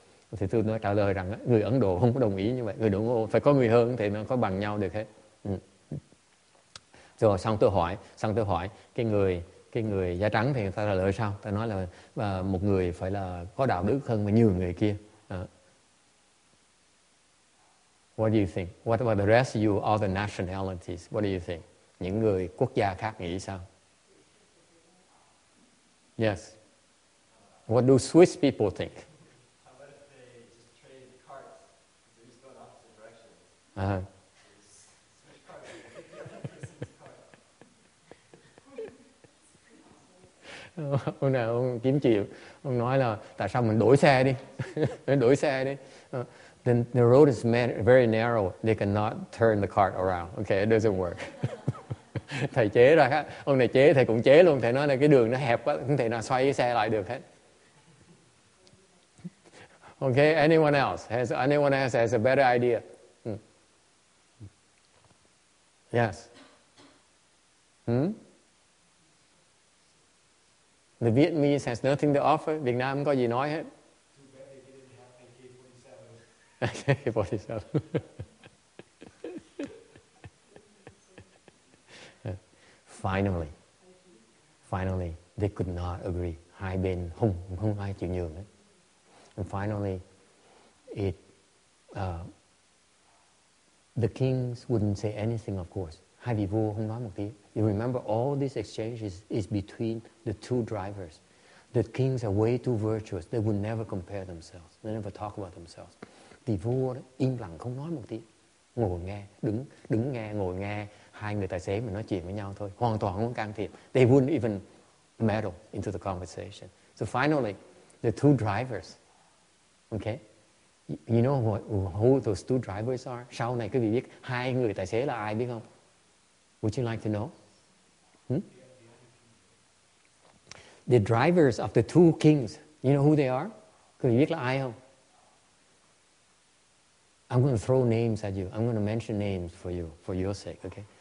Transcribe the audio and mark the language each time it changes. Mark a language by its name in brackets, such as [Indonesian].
[Vietnamese] Thì tôi nói trả lời rằng á, người Ấn Độ không có đồng ý như vậy, người Ấn Độ phải có người hơn thì nó có bằng nhau được hết. Rồi xong tôi hỏi cái người da trắng thì người ta trả lời sao? Ta nói là một người phải là có đạo đức hơn mà nhiều người kia. [English] What do you think? What about the rest of you, all the nationalities? What do you think? [Vietnamese] Những người quốc gia khác nghĩ sao? [English] Yes. What do Swiss people think? How about if they just traded cards? They just go in opposite directions. [Vietnamese] Ông nào ông kiếm chịu, ông nói là tại sao mình đổi xe đi. Đổi xe đi. [English] The road is very narrow, they cannot turn the cart around. Okay, it doesn't work. [Vietnamese] Thầy chế ra, ông này chế, thầy cũng chế luôn. Thầy nói là cái đường nó hẹp quá, không thể nào xoay cái xe lại được hết. [English] Okay, anyone else has a better idea? Yes. Hmm? The Vietnamese has nothing to offer. [Vietnamese] Việt Nam có gì nói hết. [English] Too bad they didn't have AK-47. AK-47. Finally. Finally, they could not agree. [Vietnamese] Hai bên không ai chịu nhường hết. [English] And finally, the kings wouldn't say anything, of course. [Vietnamese] Hai vị vua không nói một tiếng. [English] You remember all these exchanges is between the two drivers. The kings are way too virtuous. They would never compare themselves. They never talk about themselves. [Vietnamese] Thì vua im lặng không nói một tiếng. Ngồi nghe, đứng nghe, ngồi nghe hai người tài xế mà nói chuyện với nhau thôi. Hoàn toàn không can thiệp. [English] They wouldn't even meddle into the conversation. So finally, the two drivers, okay? You know who those two drivers are? [Vietnamese] Sau này quý vị biết hai người tài xế là ai biết không? [English] Would you like to know? The drivers of the two kings, you know who they are? [Vietnamese] Quý vị biết là ai không? [English] I'm going to throw names at you. I'm going to mention names for you, for your sake, okay?